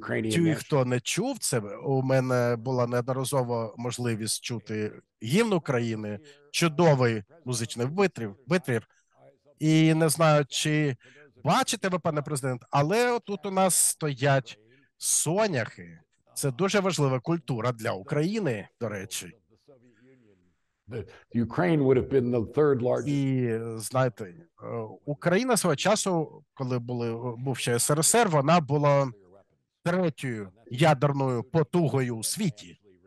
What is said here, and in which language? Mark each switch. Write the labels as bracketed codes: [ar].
[uk] Ті, хто не чув це, у мене була неодноразова можливість чути гімн України, чудовий музичний витвір. І не знаю, чи бачите ви, пане президент, але тут у нас стоять соняхи. Це дуже важлива культура для України, до речі. [en] Ukraine would have been the third largest. [uk] І, знаєте, Україна свого часу, коли був ще СРСР, вона була третьою ядерною потугою у світі.